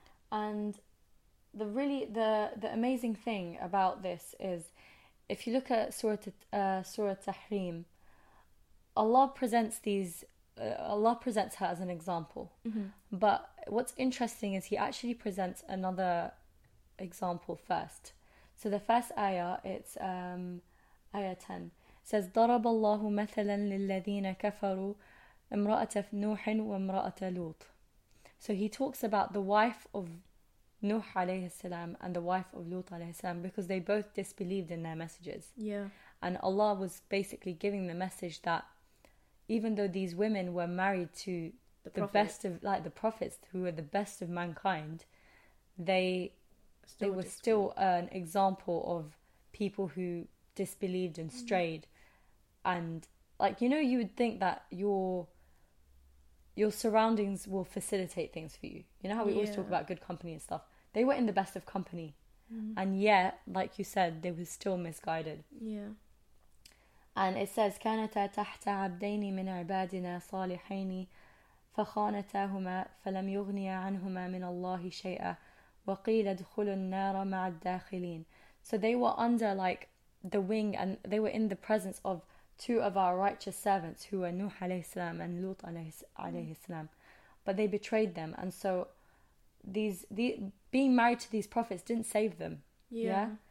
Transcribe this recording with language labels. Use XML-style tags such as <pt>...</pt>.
<en>And the really, the amazing thing about this is, if you look at Surah Tahrim, Allah presents her as an example, mm-hmm. but what's interesting is he actually presents another example first. So the first ayah, it's ayah 10, says,</en> <ar>ضرب الله مثلا للذين كفروا امرأة نوح وامرأة لوط.</ar> <en>So he talks about the wife of Nuh alayhi salam and the wife of Lut alayhi salam, because they both disbelieved in their messages. Yeah, and Allah was basically giving the message that even though these women were married to the best of, like, the prophets, who were the best of mankind, they were still an example of people who disbelieved and strayed. Mm. And, like, you know, you would think that your surroundings will facilitate things for you. You know how we always talk about good company and stuff? They were in the best of company. Mm. And yet, like you said, they were still misguided. Yeah. And it says,</en> <ar>كانتا تحت عبدين من عبادنا صالحين فخانتاهما فلم يغنيا عنهما من الله شيئا وقيل ادخلوا النار مع الداخلين.</ar> <en>So they were under, like, the wing, and they were in the presence of two of our righteous servants, who were Nuh alayhi salam and Lut alayhi salam. But they betrayed them. And so being married to these prophets didn't save them. Yeah.</en>